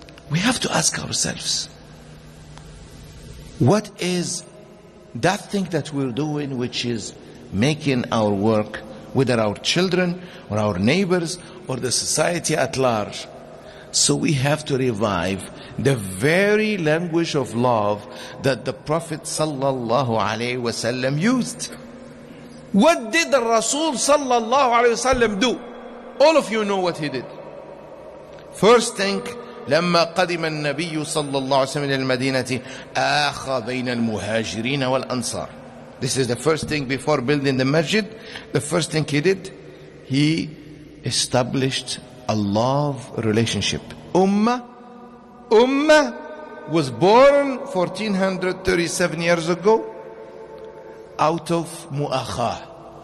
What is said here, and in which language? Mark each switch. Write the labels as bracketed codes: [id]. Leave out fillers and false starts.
[en] We have to ask ourselves, what is that thing that we're doing which is making our work, whether our children or our neighbors or the society at large? So we have to revive the very language of love that the Prophet sallallahu alaihi wasallam used. What did the Rasul sallallahu alaihi wasallam do? All of you know what he did. [ar] First thing, لما قدم النبي صلى الله عليه وسلم المدينة آخى بين المهاجرين والأنصار. [en] This is the first thing before building the masjid. The first thing he did, he established a love relationship. Ummah was born 1437 years ago out of mu'akhah.